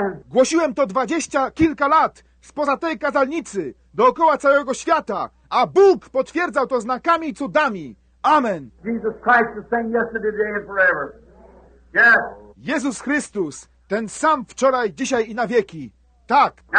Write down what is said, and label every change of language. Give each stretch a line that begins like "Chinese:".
Polish: Głosiłem to 20 kilka lat spoza tej kazalnicy, dookoła całego świata, a Bóg potwierdzał to znakami i cudami. Amen.
English: Jesus Christ the same yesterday, today and forever. Yes.
Polish: Jezus Chrystus, ten sam wczoraj, dzisiaj i na wieki. Tak.